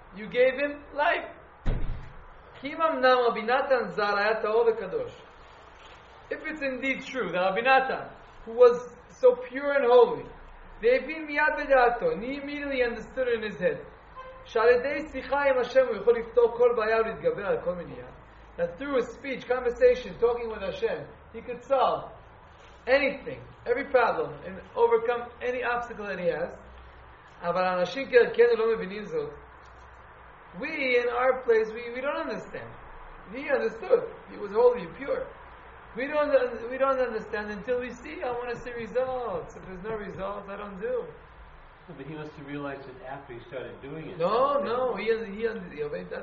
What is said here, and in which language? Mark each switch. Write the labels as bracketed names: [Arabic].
[English] You gave him life. [Hebrew] אם אמנם רבי נתן ז"ל היה טהור וקדוש, [English] if it's indeed true that רבי נתן, who was so pure and holy, [Hebrew] והבין מיד בדעתו, [English] and he immediately understood in his head, [Hebrew] שעל ידי שיחה עם השם הוא יכול לפתור כל בעיה ולהתגבר על כל מיני, [English] that through a speech, conversation, talking with Hashem, he could solve anything, every problem, and overcome any obstacle that he has. [Hebrew] אבל אנשים כאלה לא מבינים זאת. [English] We, in our place, we don't understand. He understood. He was holy and pure. We don't understand until we see. I want to see results. If there's no results, I don't do. But he must have realized it after he started doing it. No. He obeyed that.